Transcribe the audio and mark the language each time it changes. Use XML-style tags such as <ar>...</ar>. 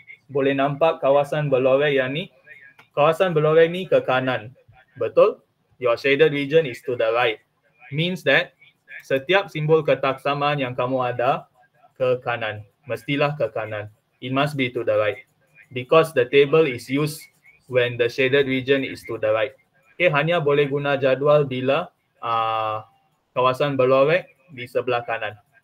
<ms>Boleh nampak kawasan belorek yang ni? Kawasan belorek ni ke kanan. Betul?</ms> <en>Your shaded region is to the right. Means that</en> <ms>setiap simbol ketaksamaan yang kamu ada ke kanan. Mestilah ke kanan.</ms> <en>It must be to the right. Because the table is used when the shaded region is to the right.</en> <ms>Okay, hanya boleh guna jadual bila kawasan belorek di sebelah kanan.</ms>